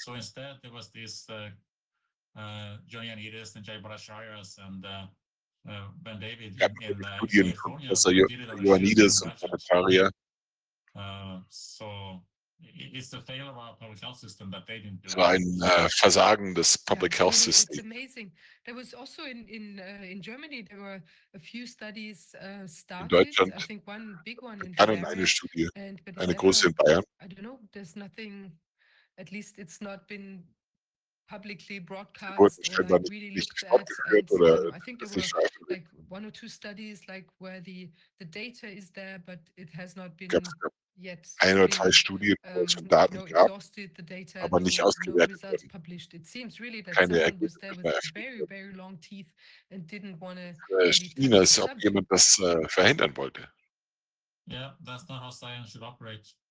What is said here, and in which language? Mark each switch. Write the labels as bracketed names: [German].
[English] So instead there was this Joyanidis and Jay Brasharias and Ben David in California. So it's the failure of our public health system that they didn't do. [German] Es war ein Versagen des Public Health Systems. [English] It's amazing. There was also in Germany there were a few studies started. I think one big one in Bayern. [German] Eine Studie. Eine große in Bayern. [English] I don't know. There's nothing. At least it's not been publicly broadcast. [German] Wurden scheinbar nicht aufgeführt oder veröffentlicht. [English] Like one or two studies, like where the data is there, but it has not been yet. [German] Ein oder zwei Studien, wo es schon Daten gab, aber nicht ausgewertet wurden. Keine Ergebnisse. China, als ob jemand das verhindern wollte. [English] Yeah, that's not how science should operate.